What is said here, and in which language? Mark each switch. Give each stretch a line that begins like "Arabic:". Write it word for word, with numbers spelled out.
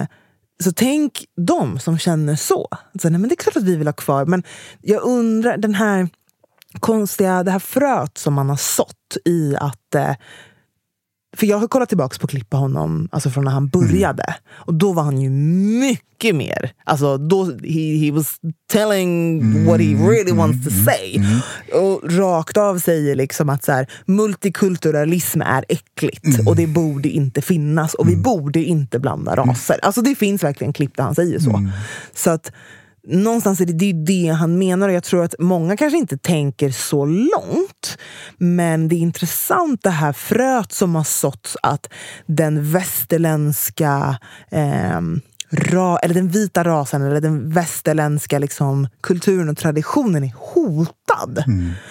Swedish: Eh, så tänk de som känner så. Alltså, nej, men det är klart att vi vill ha kvar. Men jag undrar, den här konstiga, det här fröet som man har sått i att... Eh, för jag har kollat tillbaka på klippa honom alltså från när han började. Mm. Och då var han ju mycket mer. Alltså då,
English: he, he was telling mm. what he really mm. wants to say. Mm.
Swedish: Och rakt av säger liksom att så här, multikulturalism är äckligt. Mm. Och det borde inte finnas. Och vi borde inte blanda raser. Mm. Alltså det finns verkligen klipp där han säger så. Mm. Så att någonstans är det, det är det han menar, och jag tror att många kanske inte tänker så långt, men det är intressant det här fröet som har såtts, att den västerländska eh, ra, eller den vita rasen eller den västerländska liksom, kulturen och traditionen är hotad mm.